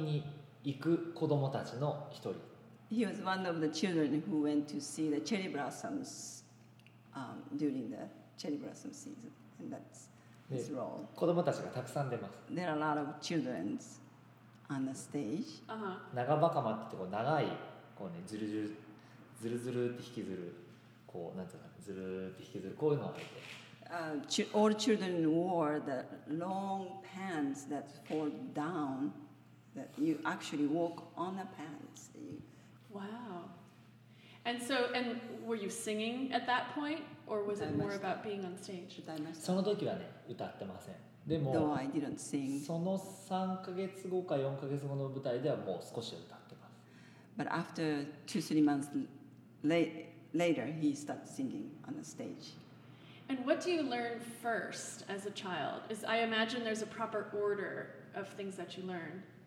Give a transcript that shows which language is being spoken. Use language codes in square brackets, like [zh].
[ja] ですね、山に桜の花を見にお花見に行く子供たちの一人。 [en] He was one of the children who went to see the cherry blossoms. During the cherry blossom season, and that's his role. [ja] 子供たちがたくさん出ます。 [en] There are a lot of children on the stage. [ja] こう長い、こうね、ずるずるって引きずる、こうなんていうか、ずるって引きずる、こういうのを履いて。 [en] All children wore the long pants that fold down, that you actually walk on the pants. Wow. And were you singing at that point, or was it more about being on stage? [ja] その時はね、歌ってません。でも、その3 ヶ月後か4ヶ月後の舞台ではもう少し歌ってます。 [en] But after 2-3 months later, he starts singing on the stage. And what do you learn first as a child? Is I imagine there's a proper order of things that you learn.